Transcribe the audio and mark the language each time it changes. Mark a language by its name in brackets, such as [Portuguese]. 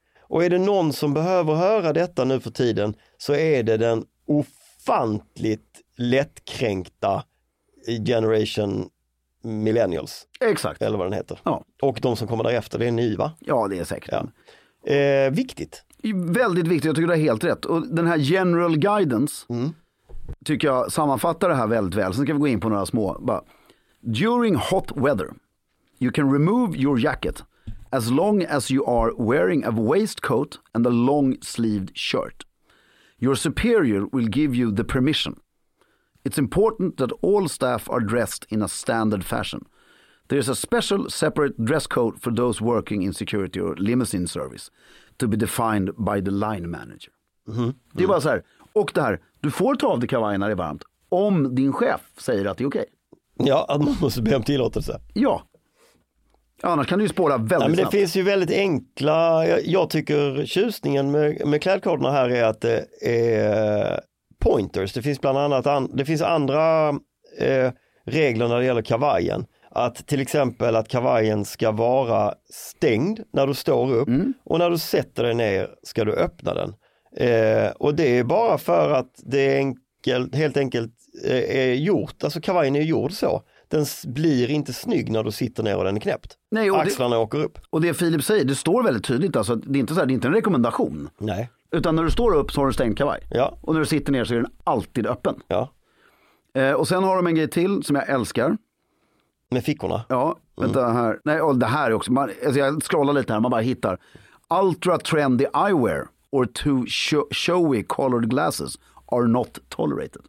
[Swedish] Och är det någon som behöver höra detta nu för tiden, så är det den ofantligt lättkränkta Generation Millennials. Exakt. Eller vad den heter. Ja. Och de som kommer därefter, det är ny va? Ja, det är säkert. Ja. Viktigt. Väldigt viktigt, jag tycker det är helt rätt. Och den här General Guidance tycker jag sammanfattar det här väldigt väl. Sen ska vi gå in på några små. Bara, [English] during hot weather, you can remove your jacket as long as you are wearing a waistcoat and a long-sleeved shirt. Your superior will give you the permission. It's important that all staff are dressed in a standard fashion. There's a special separate dress code for those working in security or limousine service to be defined by the line manager. Mm-hmm. [Swedish] Det är bara så här. Och det här, du får ta av dig kavajen när det är varmt om din chef säger att det är okej. [English] Okay. [Swedish] Ja, att man måste be om tillåtelse. Ja. Annars kan du ju spåra väldigt snabbt. Men det finns ju väldigt enkla, jag tycker tjusningen med klädkoderna här är att det är pointers. Det finns bland annat det finns andra regler när det gäller kavajen. Att till exempel att kavajen ska vara stängd när du står upp och när du sätter dig ner ska du öppna den. Och det är bara för att det är enkelt, helt enkelt är gjort, alltså kavajen är gjord så. Den blir inte snygg när du sitter ner och den är knäppt. Nej, och axlarna åker upp. Och det Filip säger, det står väldigt tydligt, alltså, det är inte så här, det är inte en rekommendation. Nej. Utan när du står upp så har du stängd kavaj. Ja. Och när du sitter ner så är den alltid öppen. Ja. Och sen har de en grej till som jag älskar. Med fickorna. Ja, vänta här. Nej, och det här är också. Man, alltså jag scrollar lite här, man bara hittar. [English] Ultra trendy eyewear or too showy colored glasses are not tolerated.